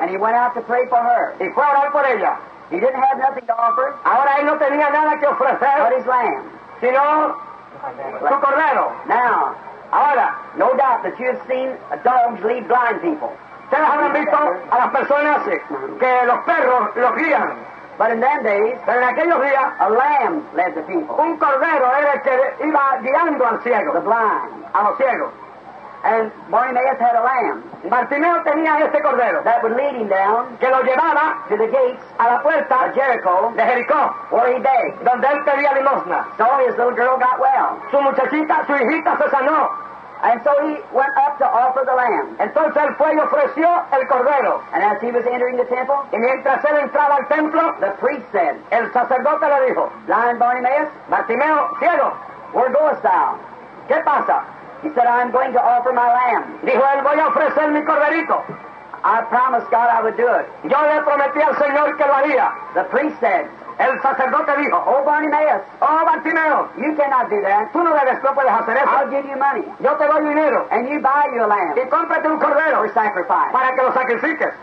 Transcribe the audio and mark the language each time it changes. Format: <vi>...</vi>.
<en>And he went out to pray for her.</en> <es>Y fue a orar por ella.</es> <en>He didn't have nothing to offer.</en> <es>Ahora él no tenía nada que ofrecer.</es> <en>But his lamb.</en> <es>Sino su cordero.</es> <en>Now,</en> <es>ahora,</es> <en>no doubt that you have seen dogs lead blind people.</en> <es>Ustedes habrán visto a las personas que los perros los guían.</es> <en>But in them days,</en> <es>pero en aquellos días,</es> <en>a lamb led the people.</en> <es>Un cordero era el que iba guiando al ciego.</es> <en>The blind.</en> <es>A los ciegos.</es> <en>And Bartimaeus had a lamb.</en> <es>Bartimeo tenía este cordero.</es> <en>That would lead him down.</en> <es>Que lo llevaba</es> <en>to the gates.</en> <es>A la puerta.</es> <en>Of Jericho.</en> <es>De Jericó.</es> <en>Where he begged.</en> <es>Donde él pedía limosna.</es> <en>So his little girl got well.</en> <es>Su muchachita, su hijita se sanó.</es> <en>And so he went up to offer the lamb.</en> <es>Entonces él fue y ofreció el cordero.</es> <en>And as he was entering the temple,</en> <es>y mientras él entraba al templo,</es> <en>the priest said,</en> <es>el sacerdote le dijo,</es> <en>blind Bartimaeus,</en> <es>Bartimeo, ciego,</es> <en>where goest thou?</en> <es>¿Qué pasa?</es> <en>He said, I'm going to offer my lamb.</en> <es>Dijo él, voy a ofrecer mi corderito.</es> <en>I promised God I would do it.</en> <es>Yo le prometí al Señor que lo haría.</es> <en>The priest said,</en> <es>el sacerdote dijo,</es> <en>oh Bartimaeus,</en> <es>oh Bartimeo,</es> <en>you cannot do that.</en> <es>Tú no debes, no puedes hacer eso.</es> <en>I'll give you money.</en> <es>Yo te doy dinero.</es> <en>And you buy you a lamb.</en> <es>Y cómprate un cordero.</es> <en>For sacrifice.</en> <es>Para que lo sacrifiques.</es>